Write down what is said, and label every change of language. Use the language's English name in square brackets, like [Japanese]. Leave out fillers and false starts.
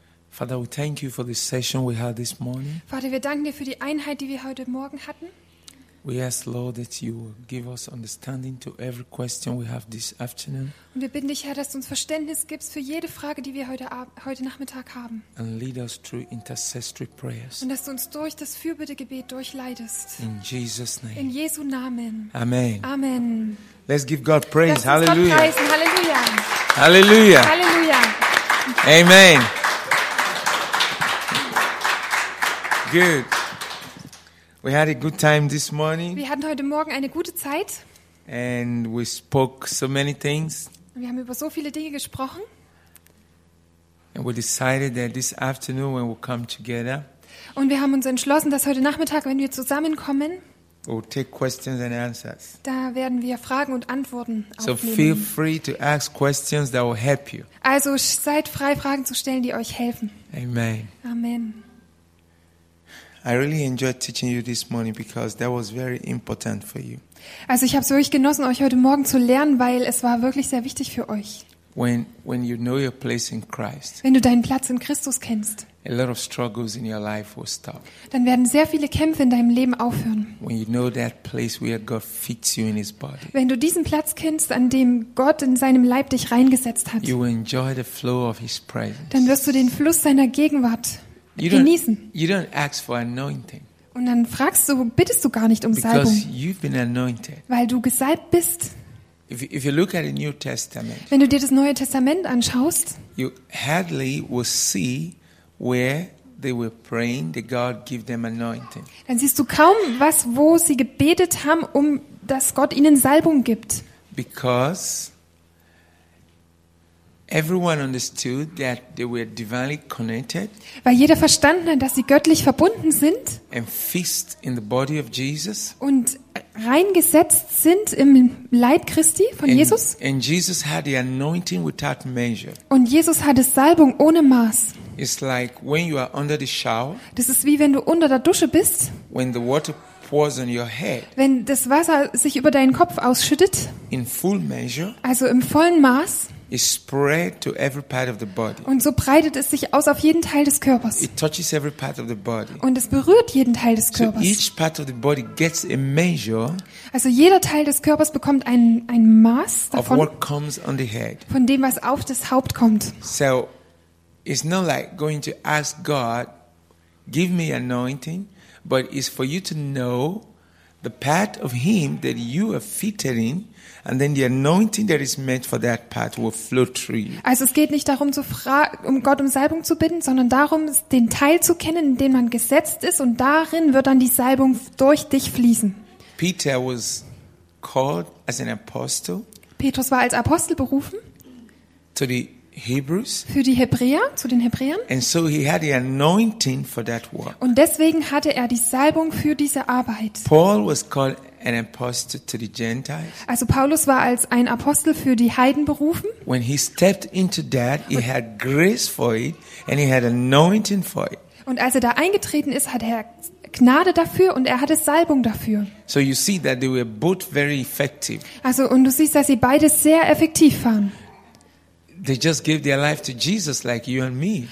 [English] Father, we thank you for the session we had this morning. [German] Vater, wir danken dir für die Einheit, die wir heute Morgen hatten. [English] We ask, Lord, that you give us understanding to every question we have this afternoon. [German] Und wir bitten dich, Herr, dass du uns Verständnis gibst für jede Frage, die wir heute Nachmittag haben. [English] And lead us through intercessory prayers. [German] Und dass du uns durch das Fürbittegebet durchleitest. [English] In Jesus' name. [German] In Jesu Namen. [English] Amen. [German] Amen. [English] Let's give God praise. Hallelujah. [German] Lass uns Gott preisen. Hallelujah. [English] Hallelujah. [German] Hallelujah. [English] Amen. Good. We had a good time this morning. [German] Wir hatten heute Morgen eine gute Zeit. [English] And we spoke so many things. [German] Wir haben über so viele Dinge gesprochen. [English] And we decided that this afternoon when we come together. [German] Und wir haben uns entschlossen, dass heute Nachmittag, wenn wir zusammenkommen, [English] we'll take questions and answers. [German] Da werden wir Fragen und Antworten aufnehmen. [English] So feel free to ask questions that will help you. [German] Also seid frei, Fragen zu stellen, die euch helfen. [English] Amen. [German] Amen. [English] I really enjoyed teaching you this morning because that was very important for you. [German] Also, ich habe es wirklich genossen, euch heute Morgen zu lernen, weil es war wirklich sehr wichtig für euch. [English] When you know your place in Christ. [German] Wenn du deinen Platz in Christus kennst. [English] A lot of struggles in your life will stop. [German] Dann werden sehr viele Kämpfe in deinem Leben aufhören. [English] When you know that place where God fits you in His body. [German] Wenn du diesen Platz kennst, an dem Gott in seinem Leib dich reingesetzt hat. [English] You will enjoy the flow of His presence. [German] Dann wirst du den Fluss seiner Gegenwart genießen. [English] You don't ask for anointing. [German] Und dann fragst du, bittest du gar nicht um Salbung. [English] Because you've been anointed. [German] Weil du gesalbt bist. [English] If you look at the New Testament, [German] wenn du dir das Neue Testament anschaust, [English] you hardly will see where they were praying that God give them anointing. [German] Dann siehst du kaum was, wo sie gebetet haben, um dass Gott ihnen Salbung gibt. [English] Because everyone understood that they were divinely connected. [German] Weil jeder verstanden hat, dass sie göttlich verbunden sind. [English] And fixed in the body of Jesus. [German] Und reingesetzt sind im Leib Christi von Jesus. [English] And Jesus had the anointing without measure. [German] Und Jesus hatte Salbung ohne Maß. [English] It's like when you are under the shower. [German] Das ist wie wenn du unter der Dusche bist. [English] When the water pours on your head. [German] Wenn das Wasser sich über deinen Kopf ausschüttet. [English] In full measure. [German] Also im vollen Maß. [English] It spread to every part of the body. [German] Und so breitet es sich aus auf jeden Teil des Körpers. [English] It touches every part of the body. [German] Und es berührt jeden Teil des Körpers. [English] So each part of the body gets a measure. [German] Also jeder Teil des Körpers bekommt ein Maß davon. [English] Of what comes on the head. [German] Von dem, was auf das Haupt kommt. [English] So, it's not like going to ask God, give me anointing, but it's for you to know the part of Him that you are fitted in. And then the anointing that is meant for that part will flow through you. [German] Also es geht nicht darum zu um Gott um Salbung zu bitten, sondern darum den Teil zu kennen, in dem man gesetzt ist und darin wird dann die Salbung durch dich fließen. [English] Peter was called as an apostle. [German] Petrus war als Apostel berufen. [English] To the Hebrews. [German] Für die Hebräer, zu den Hebräern. [English] And so he had the anointing for that work. [German] Und deswegen hatte er die Salbung für diese Arbeit. [English] Paul was called an apostle to the Gentiles. [German] Also Paulus war als ein Apostel für die Heiden berufen. [English] When he stepped into that, he had grace for it and he had anointing for it. [German] Und als er da eingetreten ist, hat er Gnade dafür und er hatte Salbung dafür. [English] So you see that they were both very effective. [German] Also und du siehst, dass sie beide sehr effektiv waren. [English] They just gave their life to Jesus like you and me.